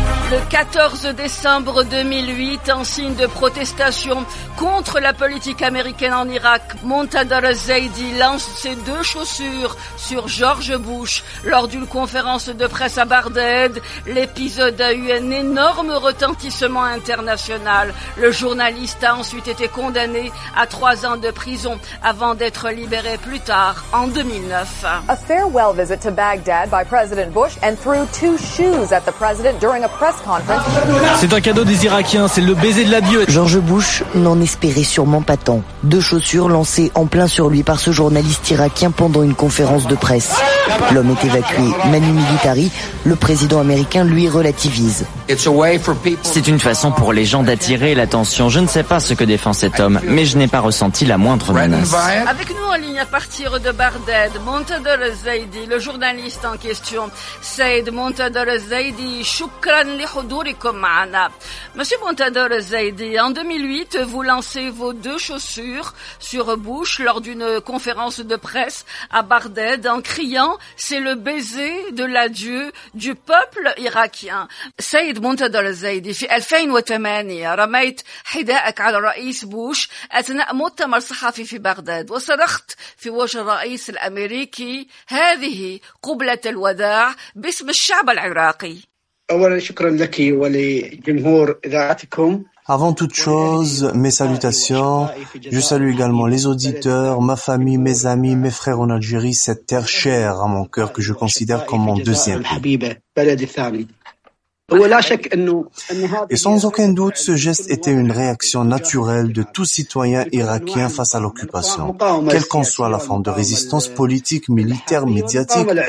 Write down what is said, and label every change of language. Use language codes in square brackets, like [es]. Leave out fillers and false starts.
[fr] Le 14 décembre 2008, en signe de protestation contre la politique américaine en Irak, Muntadhar Zaidi lance ses deux chaussures sur George Bush lors d'une conférence de presse à Bagdad. L'épisode a eu un énorme retentissement international. Le journaliste a ensuite été condamné à 3 ans de prison avant d'être libéré plus tard en 2009. [en] A farewell visit to Baghdad by President Bush and threw two shoes at the president during a press. [fr] C'est un cadeau des Irakiens, c'est le baiser de l'adieu. George Bush n'en espérait sûrement pas tant. Deux chaussures lancées en plein sur lui par ce journaliste irakien pendant une conférence de presse. L'homme est évacué manu militari, le président américain lui relativise. C'est une façon pour les gens d'attirer l'attention. Je ne sais pas ce que défend cet homme, mais je n'ai pas ressenti la moindre menace. Avec nous en ligne à partir de Bagdad, Muntadhar Zaidi, le journaliste en question. [ar] Saïd Muntadhar Zaidi, shukran li hudurikum ma'ana. [fr] Monsieur Muntadhar Zaidi, en 2008, vous lancez vos deux chaussures sur Bush lors d'une conférence de presse à Bagdad en criant « C'est le baiser de l'adieu du peuple irakien ». [ar] سيد منتدر الزايدي في 2008 رميت حذائك على الرئيس بوش أثناء مؤتمر صحفي في بغداد وصرخت في وجه الرئيس الأمريكي هذه قبلة الوداع باسم الشعب العراقي. أولا شكرا لك ولجمهور إذاعتكم. [fr] Avant toute chose, mes salutations. Je salue également les auditeurs, ma famille, mes amis, mes frères en Algérie, cette terre chère à mon cœur que je considère comme mon deuxième pays. Et sans aucun doute, ce geste était une réaction naturelle de tout citoyen irakien face à l'occupation, quelle qu'en soit la forme de résistance politique, militaire, médiatique.